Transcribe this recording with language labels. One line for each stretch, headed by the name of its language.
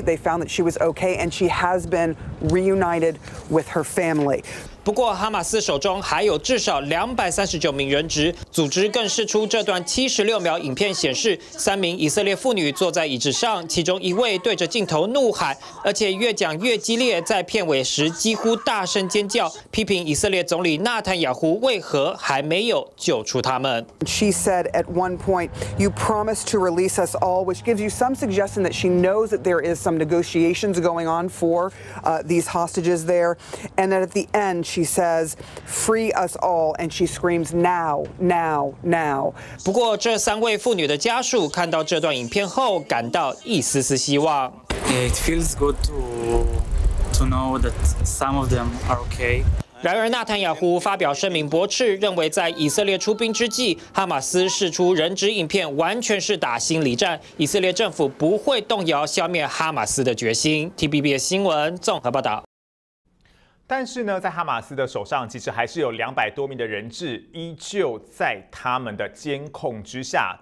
English: They found that she was okay, and she has been reunited with her family.
Chinese: 不过哈马斯手中还有至少239名人质，组织更释出这段76秒影片，显示三名以色列妇女坐在椅子上，其中一位对着镜头怒喊，而且越讲越激烈，在片尾时几乎大声尖叫，批评以色列总理纳坦雅胡为何还没有救出他们。
English: She said at one point, "You promised to release us all," which gives you some suggestion that she knows that there is some negotiations going on for these hostages there, and that at the end. She says, "Free us all!" And she screams, "Now, now, now!"
Chinese: 不过，这三位妇女的家属看到这段影片后，感到一丝丝希望。
English: It feels good to know that some of them are okay.
Chinese: 然而纳坦雅胡发表声明驳斥，认为在以色列出兵之际，哈马斯释出人质影片完全是打心理战，以色列政府不会动摇消灭哈马斯的决心。 TBB 新闻综合报道。但是呢，在哈马斯的手上，其实还是有200多名的人质依旧在他们的监控之下。